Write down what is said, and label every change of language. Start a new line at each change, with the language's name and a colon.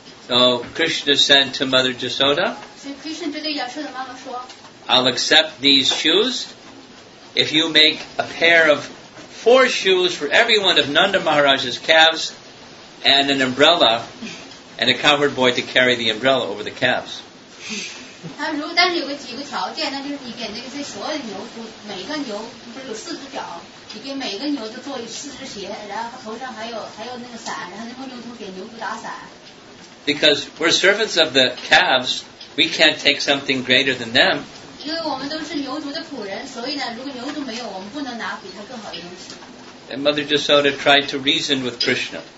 English: So Krishna said to Mother Jasoda.
Chinese: 所以 Krishna 对亚瑟的妈妈说。
English: I'll accept these shoes if you make a pair of four shoes for every one of Nanda Maharaj's calves and an umbrella. And a cowherd boy to carry the umbrella over the calves.
Chinese: 他如果但是有个几个条件，那就是你给那个这所有的牛都每个牛不是有四只脚，你给每个牛都做四只鞋，然后头上还有那个伞，然后牧牛童给牛犊打伞。
English: Because we're servants of the calves, we can't take something greater than them.
Chinese: 因为我们都是牛犊的仆人，所以呢，如果牛犊没有，我们不能拿比它更好的东西。
English: And Mother Jasoda tried to reason with Krishna.